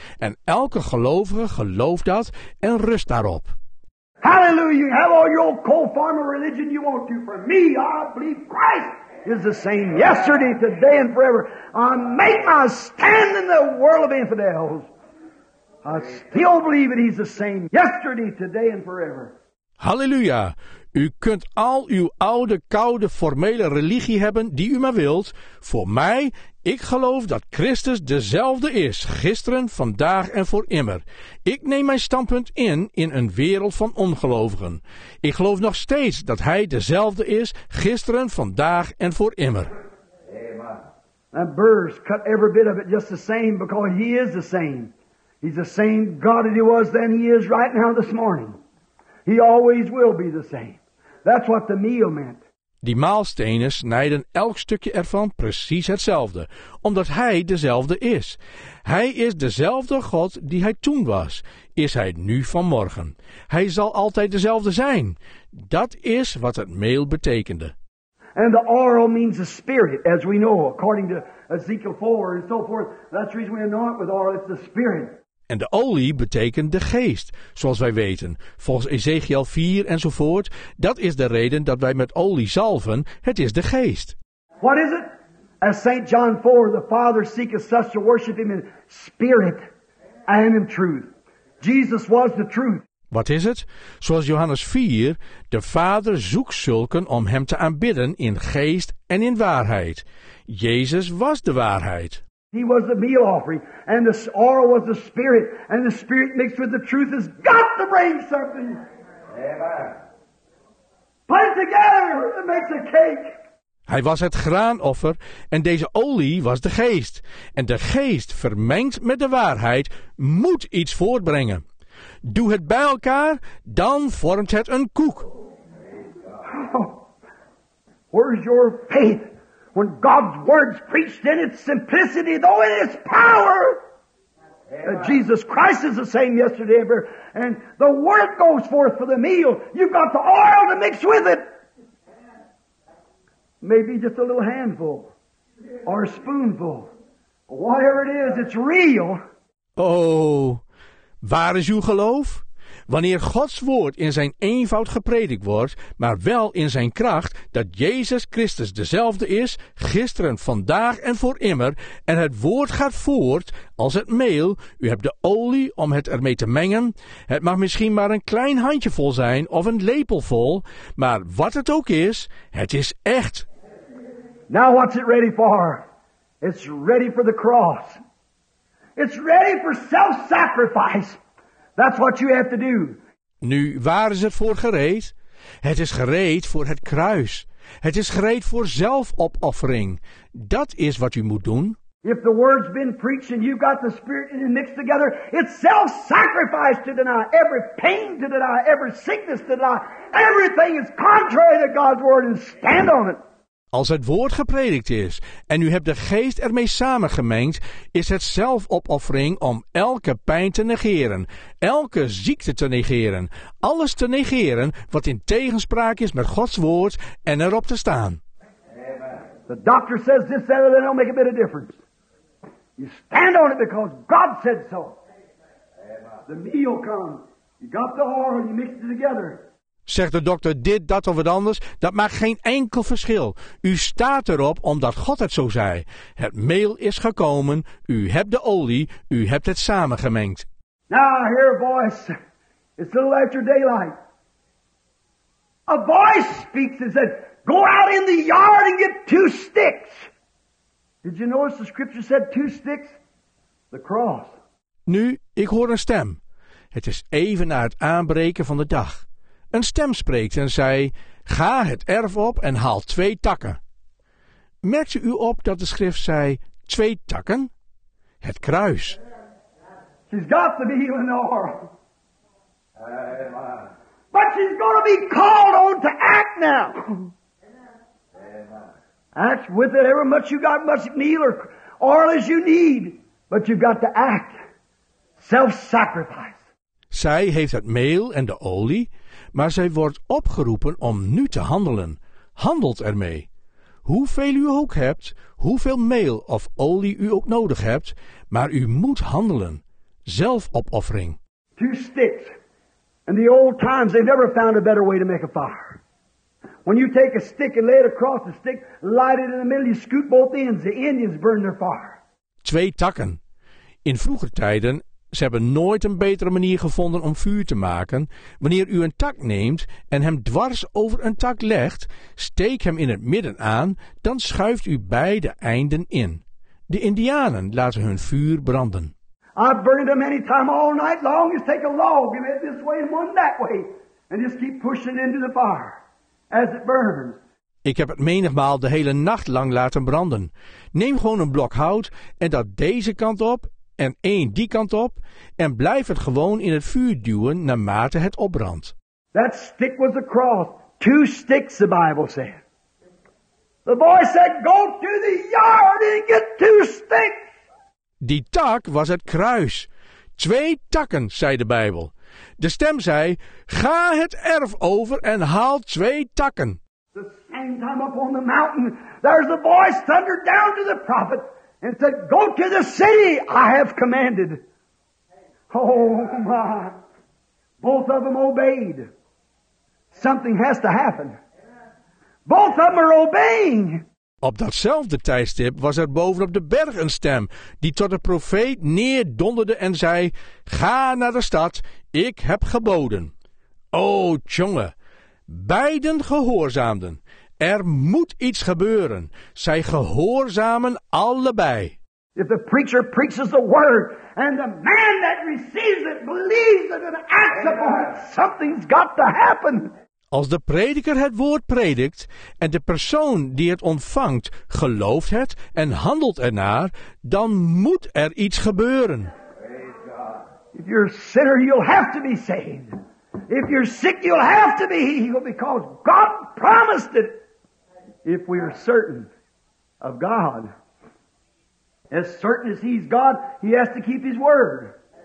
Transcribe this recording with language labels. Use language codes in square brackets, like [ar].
[nl] En elke gelovige gelooft dat en rust daarop. [en] Hallelujah, you have all your co-farmer religion you want to. For me, I believe Christ is the same yesterday, today and forever. I make my stand in the world of infidels. I still believe it, he's the same yesterday, today and forever. [nl] Halleluja. U kunt al uw oude, koude, formele religie hebben die u maar wilt. Voor mij, ik geloof dat Christus dezelfde is, gisteren, vandaag en voor immer. Ik neem mijn standpunt in een wereld van ongelovigen. Ik geloof nog steeds dat hij dezelfde is, gisteren, vandaag en voor immer. [en] And birds cut every bit of it just the same because he is the same. He's the same God that he was then, he is right now this morning. He always will be the same. That's what the meal meant. [nl] Die maalstenen snijden elk stukje ervan precies hetzelfde, omdat hij dezelfde is. Hij is dezelfde God die hij toen was, is hij nu vanmorgen. Hij zal altijd dezelfde zijn. Dat is wat het meel betekende. [en] And the oil means the spirit, as we know, according to Ezekiel 4 and so forth. That's the reason we anoint with oil, it's the spirit. [nl] En de olie betekent de geest, zoals wij weten, volgens Ezekiel 4 enzovoort. Dat is de reden dat wij met olie zalven, het is de geest. [en] What is it? As St. John 4, the Father seeketh such to worship him in spirit and in truth. Jesus was the truth. [nl] Wat is het? Zoals Johannes 4, de Vader zoekt zulken om hem te aanbidden in geest en in waarheid. Jezus was de waarheid. [en] He was the meal offering, and the oil was the spirit, and the spirit mixed with the truth has got to bring something. Amen. Put it together, it makes a cake. [nl] Hij was het graanoffer, en deze olie was de geest. En de geest, vermengd met de waarheid, moet iets voortbrengen. Doe het bij elkaar, dan vormt het een koek. [en] Oh, where's your faith? When God's word's preached in its simplicity, though in its power, Jesus Christ is the same yesterday, and the word goes forth for the meal. You've got the oil to mix with it. Maybe just a little handful or a spoonful. Whatever it is, it's real. [nl] Oh, waar is uw geloof? Wanneer Gods woord in zijn eenvoud gepredikt wordt, maar wel in zijn kracht dat Jezus Christus dezelfde is, gisteren, vandaag en voor immer, en het woord gaat voort als het meel, u hebt de olie om het ermee te mengen, het mag misschien maar een klein handjevol zijn of een lepelvol, maar wat het ook is, het is echt. [en] Now what's it ready for? It's ready for the cross. It's ready for self-sacrifice. That's what you have to do. [nl] Nu, waar is het voor gereed? Het is gereed voor het kruis. Het is gereed voor zelfopoffering. Dat is wat u moet doen. [en] If the word's been preached and you've got the spirit in it mixed together, it's self-sacrifice to deny every pain, to deny every sickness, to deny everything is contrary to God's word and stand on it. [nl] Als het woord gepredikt is en u hebt de geest ermee samengemengd, is het zelfopoffering om elke pijn te negeren, elke ziekte te negeren, alles te negeren wat in tegenspraak is met Gods woord en erop te staan. [en] Amen. The doctor says this, that, and it'll make a bit of difference. You stand on it because God said so. Amen. The meal comes. You got the oil, you mixed it together. [nl] Zegt de dokter dit, dat of het anders, dat maakt geen enkel verschil. U staat erop omdat God het zo zei. Het meel is gekomen, u hebt de olie, u hebt het samengemengd. [en] Now I hear a voice, it's a little after daylight. A voice speaks and said, go out in the yard and get two sticks. Did you notice the scripture said two sticks? The cross. [nl] Nu, ik hoor een stem. Het is even na het aanbreken van de dag. Een stem spreekt en zei, ga het erf op en haal twee takken. Merkte u op dat de schrift zei, twee takken? Het kruis. [en] She's got to be in the oil. But she's going to be called on to act now. Act with it, however much you got, much meal or oil as you need. But you've got to act. self-sacrifice. [nl] Zij heeft het meel en de olie, maar zij wordt opgeroepen om nu te handelen. Handelt ermee. Hoeveel u ook hebt, hoeveel meel of olie u ook nodig hebt, maar u moet handelen. Zelfopoffering. [en] Two sticks. In the old times, they never found a better way to make a fire. When you take a stick and lay it across the stick, light it in the middle, you scoot both ends. The Indians burn their fire. [nl] Twee takken. In vroeger tijden, ze hebben nooit een betere manier gevonden om vuur te maken. Wanneer u een tak neemt en hem dwars over een tak legt, steek hem in het midden aan, dan schuift u beide einden in. De Indianen laten hun vuur branden. [en] I've burned them any time all night long. Just take a log and it this way and one that way. And just keep pushing into the fire as it burns. [nl] Ik heb het menigmaal de hele nacht lang laten branden. Neem gewoon een blok hout en dat deze kant op en één die kant op. En blijf het gewoon in het vuur duwen naarmate het opbrandt. [en] That stick was a cross. Two sticks, the Bible said. The boy said, go to the yard and get two sticks. [nl] Die tak was het kruis. Twee takken, zei de Bijbel. De stem zei, ga het erf over en haal twee takken. [en] The same time up on the mountain, there's a voice thundered down to the prophet and said, go to the city I have commanded. Oh my, both of them obeyed. Something has to happen. Both of them are obeying. [nl] Op datzelfde tijdstip was er bovenop de berg een stem die tot de profeet neerdonderde en zei, ga naar de stad, ik heb geboden. O tjonge, beiden gehoorzaamden. Er moet iets gebeuren. Zij gehoorzamen allebei. [en] If the preacher preaches the word and the man that receives it believes it and acts upon it, something's got to happen. [nl] Als de prediker het woord predikt en de persoon die het ontvangt gelooft het en handelt ernaar, dan moet er iets gebeuren. [en] If you're a sinner, you'll have to be saved. If you're sick, you'll have to be healed because God promised it. If we are certain of God, as certain as he's God, he has to keep his word.